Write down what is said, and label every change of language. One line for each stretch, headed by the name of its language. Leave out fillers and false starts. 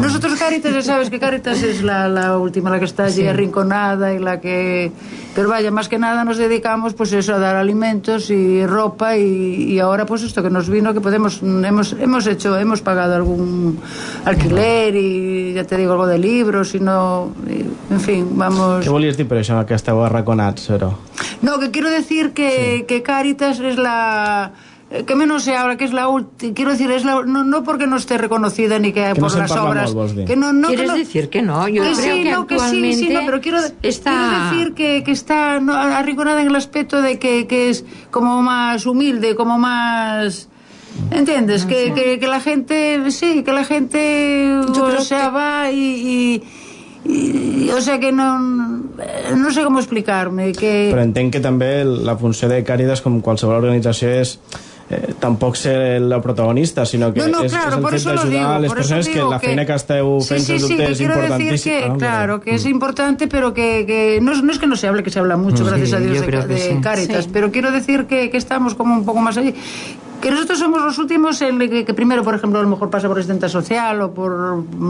Spanish: nosotros Cáritas, ya sabes que Cáritas es la última, la que está allí arrinconada y la que, pero vaya, más que nada nos dedicamos pues eso, a dar alimentos y ropa y ahora pues esto que nos vino, que podemos, hemos pagado algún alquiler y ya te digo, algo de libros y no, y, en fin, vamos.
Catalan: ¿Qué volies dir per això, que esteu arraconats, però?
Spanish: No, que quiero decir que, sí, que Cáritas es la, que menos se habla, que es la última, quiero decir, es la, no porque no esté reconocida ni que por no las obras. Que no, no, ¿quieres que no, decir que no? Yo creo que actualmente sí, no, pero quiero decir que está arrinconada en el aspecto de que es como más humilde, como más, ¿entiendes? No, que la gente, sí, que la gente, o sea, que va y o sea que no sé cómo explicarme que.
Catalan: Però entenc que també la funció de Càritas, com qualsevol organització, és tampoc ser el protagonista, sinó que és el fet d'ajudar les persones, que la feina que esteu fent sens dubte és importantíssima.
Spanish: Claro, que es importante, pero que no es que no se hable, que se habla mucho, gracias a Dios, de Càritas, pero quiero decir que estamos como un poco más allí. Que nosotros somos los últimos en que primero, por ejemplo, a lo mejor pasa por Asistencia Social o por